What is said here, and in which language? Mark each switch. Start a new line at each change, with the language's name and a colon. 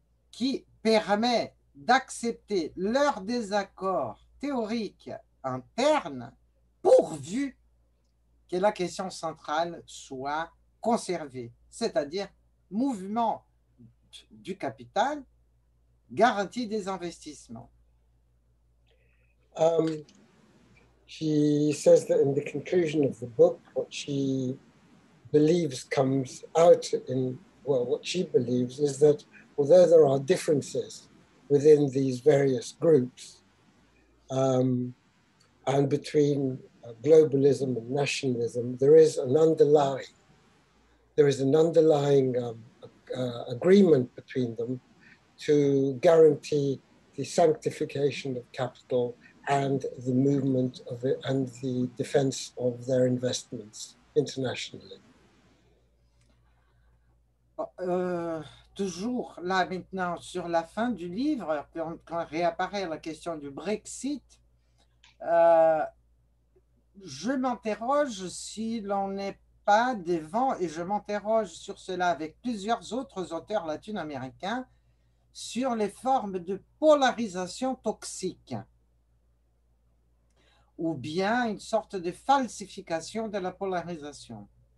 French: qui permet d'accepter leur désaccord théorique interne, pourvu que la question centrale soit conservée, c'est-à-dire mouvement du capital, garantie des investissements.
English: She says that in the conclusion of the book, what she believes comes out in, well, what she believes is that although there are differences within these various groups and between globalism and nationalism, there is an underlying agreement between them to guarantee the sanctification of capital and the movement of it and the defense of their investments internationally.
French: Toujours là maintenant sur la fin du livre, quand réapparaît la question du Brexit, je m'interroge si l'on n'est pas devant, et je m'interroge sur cela avec plusieurs autres auteurs latino-américains, sur les formes de polarisation toxique, ou bien une sorte de falsification de la polarisation.